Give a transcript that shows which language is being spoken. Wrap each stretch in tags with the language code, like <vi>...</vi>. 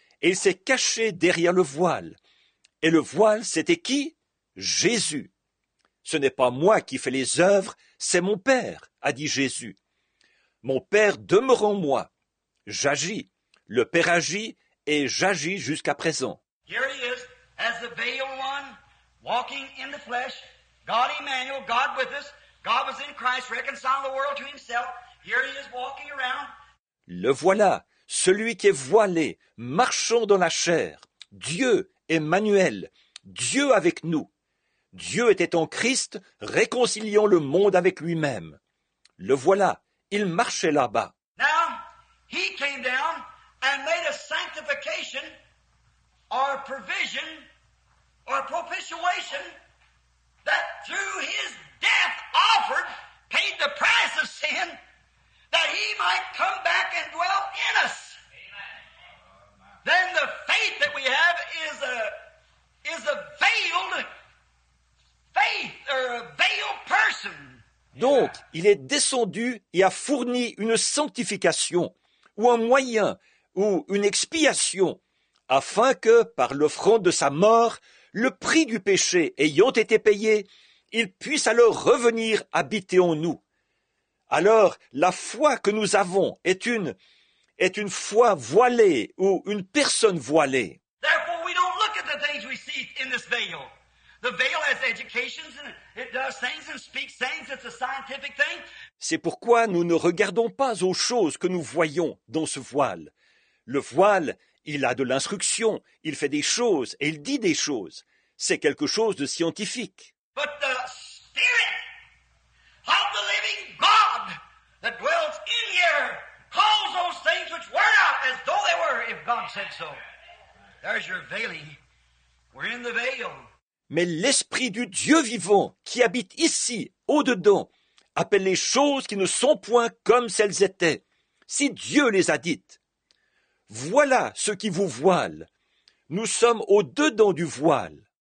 <fr>Et il s'est caché derrière le voile. Et le voile, c'était qui? Jésus. Ce n'est pas moi qui fais les œuvres, c'est mon Père, a dit Jésus. Mon Père demeure en moi. J'agis. Le Père agit. Et j'agis jusqu'à présent.</fr> <en>Here he is, as the veiled one, walking in the flesh, God Emmanuel, God with us, God was in Christ, reconciling the world to himself. Here he is walking around.</en> <fr>Le voilà, celui qui est voilé, marchant dans la chair. Dieu, Emmanuel, Dieu avec nous. Dieu était en Christ, réconciliant le monde avec lui-même. Le voilà, il marchait là-bas.</fr> <en>Now, he came down. And made a sanctification, or provision, or propitiation, that through his death offered, paid the price of sin, that he might come back and dwell in us. Amen. Then the faith that we have is a veiled faith, or a veiled person.</en> <fr>Donc, il est descendu et a fourni une sanctification, ou un moyen, ou une expiation, afin que, par l'offrande de sa mort, le prix du péché ayant été payé, il puisse alors revenir habiter en nous. Alors, la foi que nous avons est une foi voilée, ou une personne voilée.</fr> <en>Therefore, we don't look at the things we see in this veil. The veil has educations, and it does things and speaks things. It's a scientific thing.</en> <fr>C'est pourquoi nous ne regardons pas aux choses que nous voyons dans ce voile. Le voile, il a de l'instruction, il fait des choses et il dit des choses. C'est quelque chose de scientifique.</fr> <en>But the Spirit of the living God that dwells in here calls those things which were not as though they were, if God said so. There's your veiling. We're in the veil.</en> <fr>Mais l'Esprit du Dieu vivant qui habite ici, au-dedans, appelle les choses qui ne sont point comme celles étaient, si Dieu les a dites. Voilà ce qui vous voile. Nous sommes au-dedans du voile.</fr>